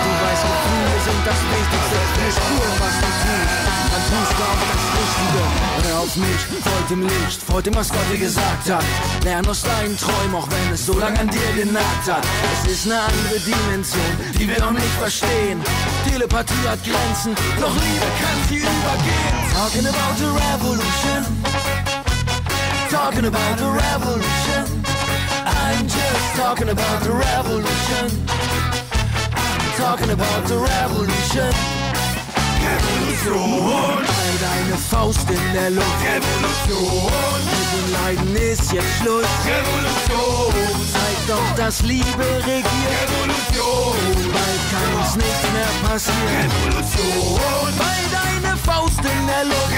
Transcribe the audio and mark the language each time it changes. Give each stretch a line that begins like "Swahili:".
German: Du weißt, Gefühle sind das Wichtigste. Ich spüre, was du tust, dann tust du auch das Richtige. Auf mich, folgt dem Licht, folgt dem, was Gott dir gesagt hat. Lern aus deinen Träumen, auch wenn es so lange an dir genagt hat. Es ist eine andere Dimension, die wir noch nicht verstehen. Telepathie hat Grenzen, doch Liebe kann sie übergehen.
English: Talking about the revolution. Talking about the revolution. I'm just talking about the revolution. Talking about the revolution.
German: Revolution, halt deine Faust in der Luft. Revolution, mit dem Leiden ist jetzt Schluss. Revolution, zeig doch, dass Liebe regiert. Revolution, bald kann uns nichts mehr passieren. Revolution, halt deine Faust in der Luft.